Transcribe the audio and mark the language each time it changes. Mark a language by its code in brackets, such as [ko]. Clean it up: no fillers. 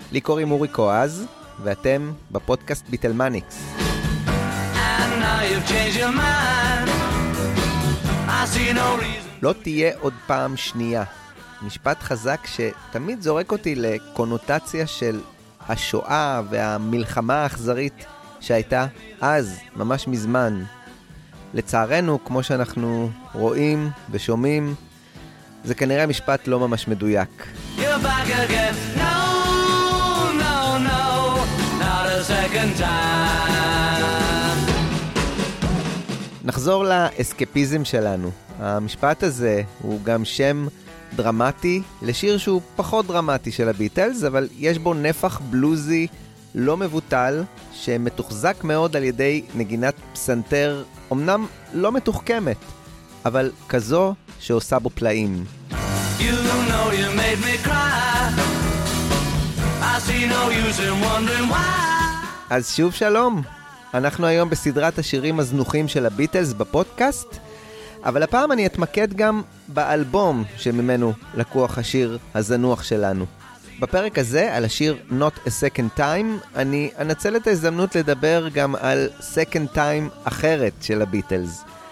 [he] לי קוראים אורי קואז, ואתם בפודקאסט ביטלמניקס. [en] And now you've changed your mind. I see no reason. [he] לא תהיה עוד פעם שנייה. משפט חזק שתמיד זורק אותי לקונוטציה של השואה והמלחמה האכזרית שהייתה אז, ממש מזמן. לצערנו, כמו שאנחנו רואים ושומעים, זה כנראה המשפט לא ממש מדויק. [en] You're back again. No, no, no, not a second time. [he] נחזור לאסקפיזם שלנו. המשפט הזה הוא גם שם דרמטי לשיר שהוא פחות דרמטי של הביטלס, אבל יש בו נפח בלוזי לא מבוטל שמתוחזק מאוד על ידי נגינת פסנתר, אמנם לא מתוחכמת, אבל כזו שעושה בו פלאים. [en] You know you made me cry. I see no use in wondering why. [he] אז שוב שלום, אנחנו היום בסדרת השירים הזנוחים של הביטלס בפודקאסט, אבל הפעם אני אתמקד גם באלבום שממנו לקוח השיר הזנוח שלנו. בפרק הזה על השיר Not a Second Time, אני אנצל את ההזדמנות לדבר גם על Second Time אחרת של הביטלס.